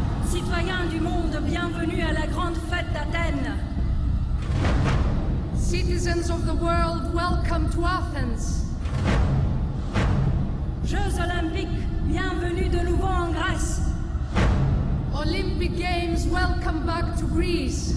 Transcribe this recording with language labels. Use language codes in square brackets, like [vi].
[fr] Citoyens du monde, bienvenue à la grande fête d'Athènes. [en] Citizens of the world, welcome to Athens. [fr] Jeux olympiques, bienvenue de nouveau en Grèce. [en] Olympic Games, welcome back to Greece.